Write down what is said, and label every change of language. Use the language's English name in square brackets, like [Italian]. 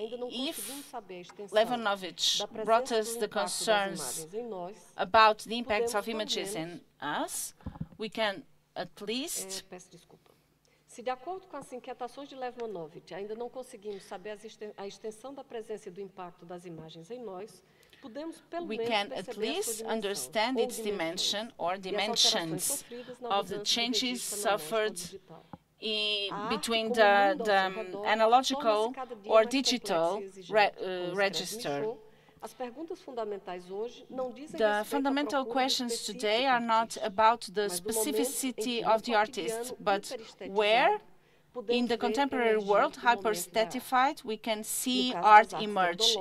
[English] If Levanovich brought us the concerns about the impacts of images in us, we can at least... [Portuguese] Se de acordo com as inquietações de Levanovich ainda não conseguimos saber a extensão da presença e do impacto das imagens em nós, [English] we can at least understand its dimension or dimensions of the changes suffered in between the analogical or digital register. The fundamental questions today are not about the specificity of the artist, but where in the contemporary world, hyperesthetified, we can see art emerge.